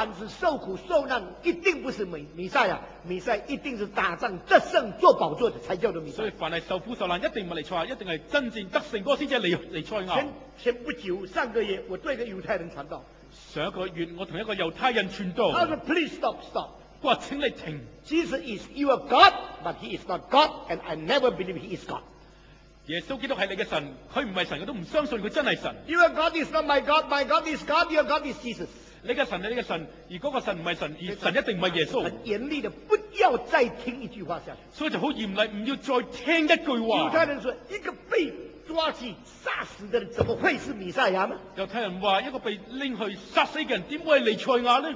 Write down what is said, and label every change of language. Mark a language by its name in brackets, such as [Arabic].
[Chinese] 凡是受苦受难一定不是弥赛亚，弥赛亚一定是打仗得胜做宝座的才叫做弥赛亚。所以凡是受苦受难一定不是弥赛亚，一定是真正得胜的才叫做弥赛亚。前不久上个月我对一个犹太人传道，上一个月我同一个犹太人传道，他说 [English] please stop stop， [Chinese] 我请你停。 [English] Jesus is your God but he is not God and I never believe he is God。 [Chinese] 耶稣基督是你的神，他不是神，我都不相信他真是神。 [English] Your God is not my God, my God is God, your God is Jesus。 [Chinese] 你的神是你的神，而那个神不是神，而神一定不是耶稣。很严厉的，不要再听一句话下去。所以就很严厉，不要再听一句话。犹太人说，一个被抓去杀死的人，怎么会是弥赛亚呢？犹太人说，一个被拎去杀死的人，怎么会是弥赛亚呢？